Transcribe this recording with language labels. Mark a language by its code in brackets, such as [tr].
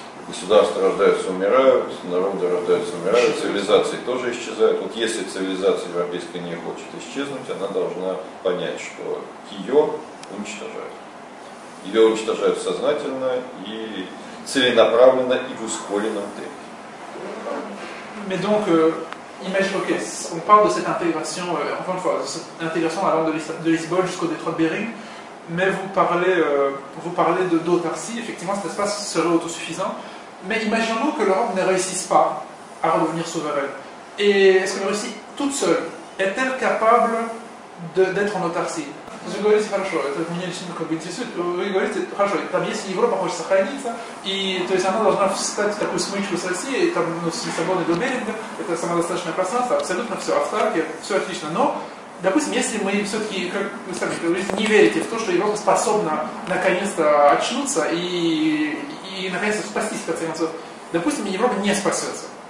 [ru] государства рождаются, умирают, народы рождаются, умирают, цивилизации тоже исчезают. Вот если цивилизация европейская не хочет исчезнуть, она должна понять, что ее уничтожают. Ее уничтожают сознательно и целенаправленно и в ускоренном темпе. [fr] Mais donc, on parle de cette intégration, encore une fois, de cette intégration allant de Lisbonne jusqu'au détroit de Bering, mais vous parlez de d'autarcie, effectivement cet espace serait autosuffisant, mais imaginons que l'Europe ne réussisse pas à redevenir souveraine. Et est-ce que la Russie, toute seule, est-elle capable d'être en autarcie? [ru] Вы говорите хорошо, это меня лично как бы интересует. Вы говорите хорошо, там есть Европа, хочет сохраниться, и то есть она должна встать в такую смычку с Россией, там ну, с Лиссабоном и до Беринга, это самодостаточное пространство, абсолютно все, автарки, все отлично. Но, допустим, если мы все-таки, как вы сказали, не верите в то, что Европа способна наконец-то очнуться и наконец-то спастись, в конце концов, допустим, Европа не спасется.